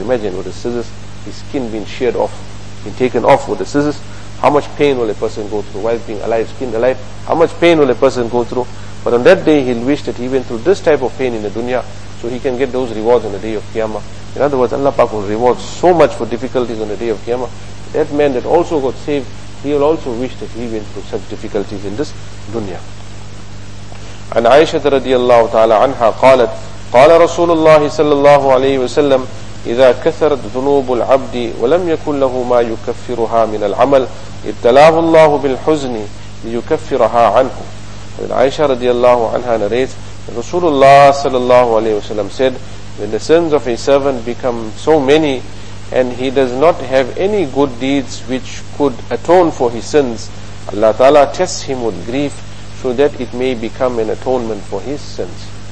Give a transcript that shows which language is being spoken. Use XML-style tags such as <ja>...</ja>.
<en>Imagine with the scissors, his skin being sheared off, being taken off with the scissors. How much pain will a person go through while being alive, skinned alive? How much pain will a person go through But on that day, he'll wish that he went through this type of pain in the dunya, so he can get those rewards on the day of Qiyamah. In other words, Allah Pak will reward so much for difficulties on the day of Qiyamah. That man that also got saved, he will also wish that he went through such difficulties in this dunya.</en> <ar>And Aisha radiallahu ta'ala anha qalat, qala Rasulullah sallallahu alayhi wa sallam, إذا كثرت ذنوب العبد ولم يكن له ما يكفرها من العمل ابتلاه الله بالحزن ليكفرها عنه.</ar> <en>When Aisha radiallahu anha narrates, Rasulullah sallallahu alayhi wa sallam said, when the sins of a servant become so many and he does not have any good deeds which could atone for his sins, Allah ta'ala tests him with grief so that it may become an atonement for his sins.</en>